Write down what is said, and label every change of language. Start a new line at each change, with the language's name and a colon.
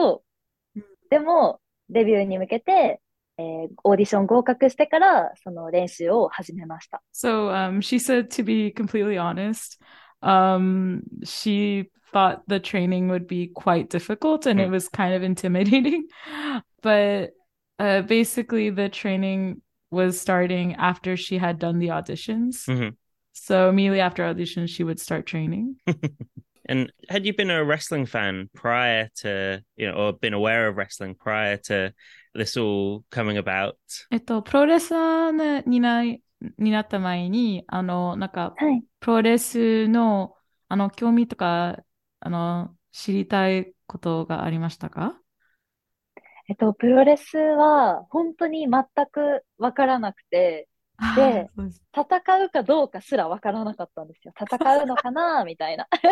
Japanese: そうですね。うん、そのオーディションに合格したことで、プロレスラーに悪い言い方をするともうならなくてはいけないことが決まったので、その時はプロレスのことを知らなかったので、正直好きではなかったんですけど、でもデビューに向けて、
English: So she said, to be completely honest, she thought the training would be quite difficult and it was kind of intimidating. But basically, the training was starting after she had done the auditions. So immediately after auditions, she would start training. And had you been a wrestling fan prior to, you know, or been aware of wrestling prior to this all coming about?
Japanese: プロレスになった前に、なんか、プロレスの興味とか、知りたいことがありましたか? プロレスは本当に全くわからなくて、で、戦うかどうかすらわからなかったんですよ。戦うのかなみたいな。